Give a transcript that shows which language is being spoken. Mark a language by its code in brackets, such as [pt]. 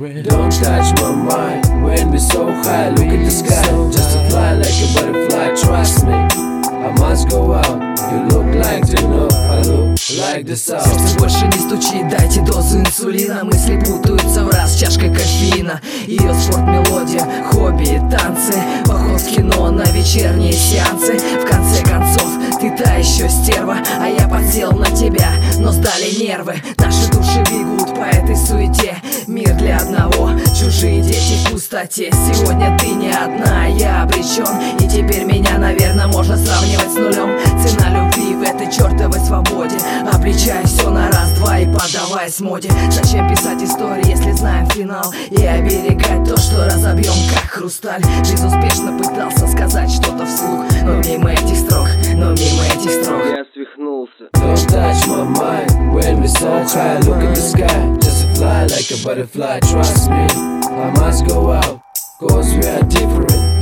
[en] Don't touch my mind. When we so high, look at the sky. Just a fly like a butterfly, trust me. I must go out. You look like the north, I look like the south. [ru] Сердце больше не стучит, дайте дозу инсулина. Мысли путаются в раз, чашка кофеина. Ее спорт, мелодия, хобби, танцы. Поход в кино на вечерние сеансы. В конце концов, ты та еще стерва. А я подсел на тебя, но сдали нервы. Наши души бегут по этой суете. Мир для одного, чужие дети в пустоте. Сегодня ты не одна, я обречен. И теперь меня, наверное, можно сравнивать с нулем. Цена любви в этой чертовой свободе. Обличай все на раз, два и подаваясь моде. Зачем писать истории, если знаем финал? И оберегать то, что разобьем, как хрусталь. Безуспешно пытался сказать что-то вслух. Но мимо этих строк, но мимо этих строк. Я свихнулся. [en] Don't touch my mind. When we so high, look at the sky. Just a fly like a butterfly, trust me. I must go out, cause we are different.